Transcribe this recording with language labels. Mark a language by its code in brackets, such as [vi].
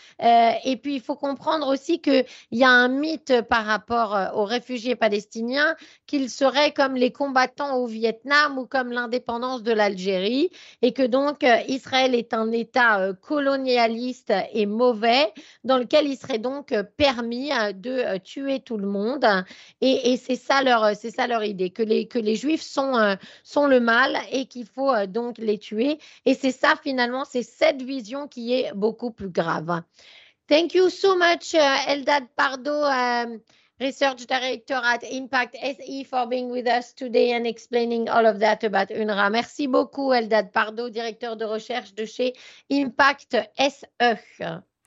[fr] Et puis, il faut comprendre aussi qu'il y a un mythe par rapport aux réfugiés palestiniens, qu'ils seraient comme les combattants au Vietnam ou comme l'indépendance de l'Algérie, et que donc Israël est un État colonialiste et mauvais, dans lequel il serait donc permis de tuer tout le monde. Et c'est ça leur idée, que les Juifs sont le mal et qu'il faut donc les tuer. Et c'est ça, finalement, c'est cette vision qui est beaucoup plus grave. [en] Thank you so much, Eldad Pardo, Research Director at Impact SE, for being with us today and explaining all of that about UNRWA. [fr] Merci beaucoup, Eldad Pardo, directeur de recherche de chez Impact SE.